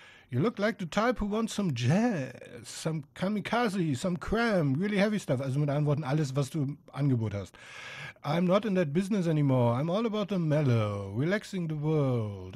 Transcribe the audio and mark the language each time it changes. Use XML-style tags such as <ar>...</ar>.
<en>You look like the type who wants some jazz, some kamikaze, some cram, really heavy stuff.</en> <de>Also mit anderen Worten, alles, was du im Angebot hast.</de> <en>I'm not in that business anymore. I'm all about the mellow, relaxing the world.</en>